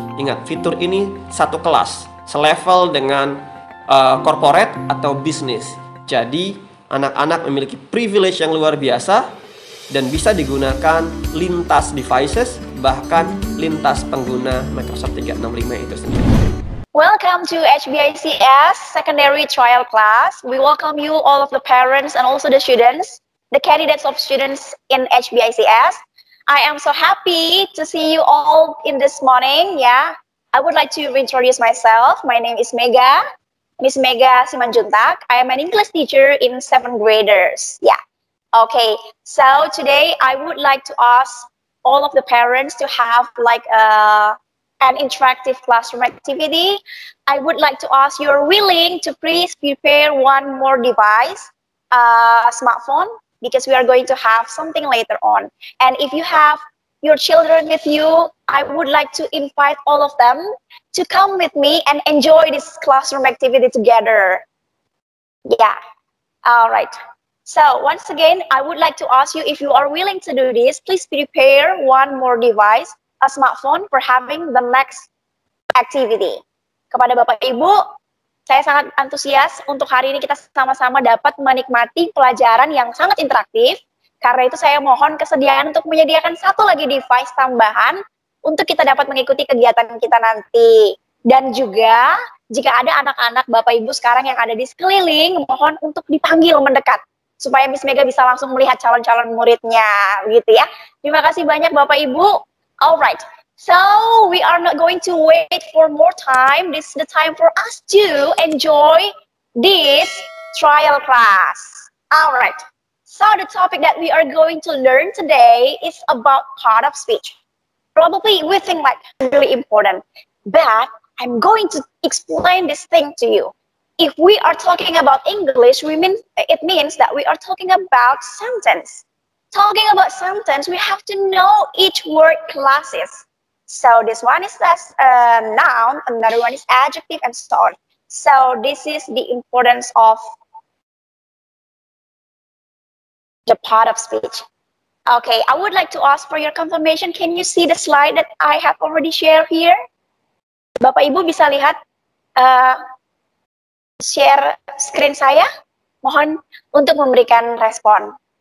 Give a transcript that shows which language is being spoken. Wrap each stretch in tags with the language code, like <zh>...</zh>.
<id>Ingat, fitur ini satu kelas, selevel dengan corporate atau bisnis. Jadi, anak-anak memiliki privilege yang luar biasa dan bisa digunakan lintas devices, bahkan lintas pengguna Microsoft 365 itu sendiri.</id> <en>Welcome to HBICS Secondary Trial Class. We welcome you, all of the parents and also the students, the candidates of students in HBICS. I am so happy to see you all in this morning. Yeah, I would like to introduce myself. My name is Mega, Miss Mega Simanjuntak. I am an English teacher in 7th graders. Yeah. Okay, so today I would like to ask all of the parents to have like an interactive classroom activity. I would like to ask you are willing to please prepare one more device, a smartphone, because we are going to have something later on. And if you have your children with you, I would like to invite all of them to come with me and enjoy this classroom activity together. Yeah, all right. So once again, I would like to ask you if you are willing to do this, please prepare one more device, a smartphone, for having the next activity.</en> <id>Kepada Bapak Ibu, saya sangat antusias untuk hari ini kita sama-sama dapat menikmati pelajaran yang sangat interaktif. Karena itu saya mohon kesediaan untuk menyediakan satu lagi device tambahan untuk kita dapat mengikuti kegiatan kita nanti. Dan juga jika ada anak-anak Bapak Ibu sekarang yang ada di sekeliling, mohon untuk dipanggil mendekat. Supaya Miss Mega bisa langsung melihat calon-calon muridnya, gitu ya. Terima kasih banyak Bapak Ibu.</id> <en>Alright, so we are not going to wait for more time. This is the time for us to enjoy this trial class. Alright, so the topic that we are going to learn today is about part of speech. Probably we think like really important, but I'm going to explain this thing to you. If we are talking about English, it means that we are talking about sentence. Talking about sentence, we have to know each word classes. So this one is a noun, another one is adjective, and so on. So this is the importance of the part of speech. Okay, I would like to ask for your confirmation. Can you see the slide that I have already shared here?</en> <id>Bapak Ibu bisa lihat?</id> <en>Share screen</en> <id>saya, mohon untuk memberikan respon.</id>